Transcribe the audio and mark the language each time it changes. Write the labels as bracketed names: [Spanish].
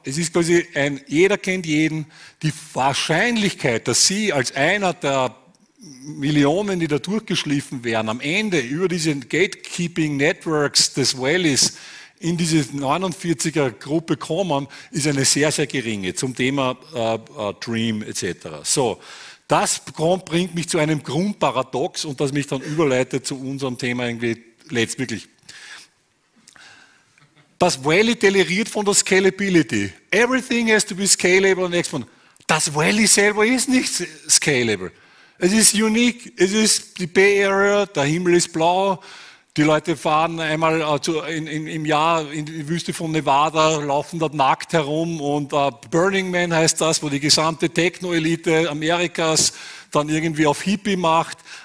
[German] Es ist quasi ein, jeder kennt jeden. Die Wahrscheinlichkeit, dass Sie als einer der Millionen, die da durchgeschliffen werden, am Ende über diese Gatekeeping-Networks des Wallis in diese 49er-Gruppe kommen, ist eine sehr, sehr geringe zum Thema Dream etc. So, das bringt mich zu einem Grundparadox und das mich dann überleitet zu unserem Thema irgendwie letztwirklich. Das Wally deliriert von der Scalability. [English] Everything has to be scalable and exponential. [German] Das Wally selber ist nicht scalable. Es ist unique, es ist die Bay Area, der Himmel ist blau, die Leute fahren einmal im Jahr in die Wüste von Nevada, laufen dort nackt herum und Burning Man heißt das, wo die gesamte Techno-Elite Amerikas dann irgendwie auf Hippie macht.